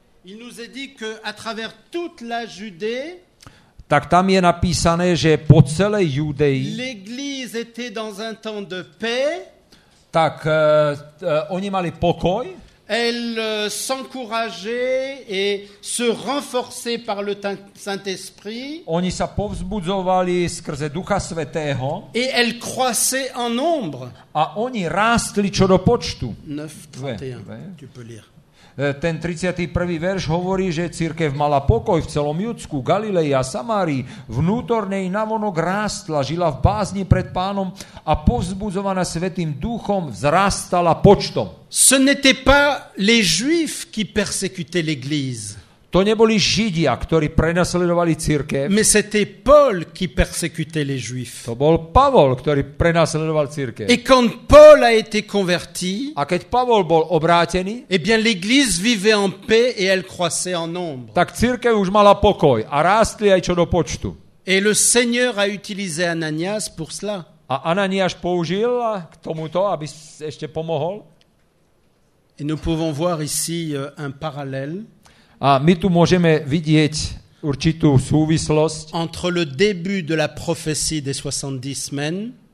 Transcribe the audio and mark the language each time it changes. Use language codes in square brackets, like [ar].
[fr] Il nous est dit que à travers toute la Judée. [sk] Tak tam je napísané, že po celej Judei. [fr] L'église était dans un temps de paix. [sk] Tak oni mali pokoj. [fr] Elle s'encourageait et se renforçait par le Saint-Esprit. [sk] Oni sa povzbudzovali skrze Ducha Svätého. [fr] Et elle croissait en nombre. [sk] A oni rástli čo do počtu. [fr] 9:31. Tu peux lire. [sk] Ten 31. verš hovorí, že cirkev mala pokoj v celom Judsku, Galilei a Samárii, vnútornej navonok rástla, žila v bázni pred Pánom a povzbudzovaná Svätým Duchom vzrastala počtom. [fr] Ce n'était pas les Juifs qui persécutaient l'église. [sk] To neboli Židia, ktorí prenasledovali cirkev. [fr] Mais c'était Paul qui persécutait les Juifs. [sk] To bol Pavol, ktorý prenasledoval cirkev. [fr] Et quand Paul a été converti, [sk] a keď Pavol bol obrátený, [fr] eh bien l'église vivait en paix et elle croissait en nombre. [sk] Tak cirkev už mala pokoj a rástli aj čo do počtu. [fr] Et le Seigneur a utilisé Ananias pour cela. [sk] A Ananias použil k tomuto, aby ešte pomohol. [fr] Et nous pouvons voir ici un parallèle. [sk] A my tu môžeme vidieť určitú súvislosť [fr] entre le début de la prophétie des 70 semaines,